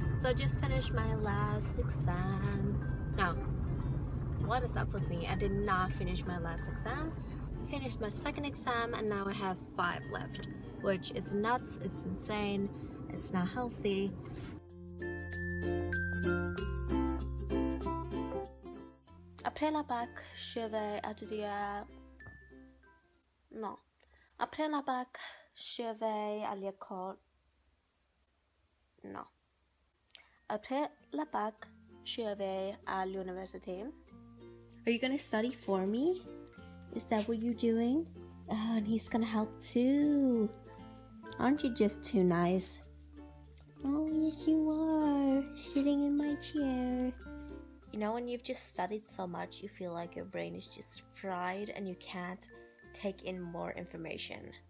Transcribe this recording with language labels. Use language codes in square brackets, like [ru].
[en] I just finished my last exam. No, what is up with me? I did not finish my last exam. I finished my second exam and now I have 5 left, which is nuts, it's insane, it's not healthy. [fr] Après la bac, je vais étudier. No. Après la bac, je vais à l'école. No. Après la bac, je vais à l'université. [en] Are you gonna study for me? Is that what you're doing? Oh, and he's gonna help too. Aren't you just too nice? Oh, yes you are, sitting in my chair. You know when you've just studied so much, you feel like your brain is just fried and you can't take in more information.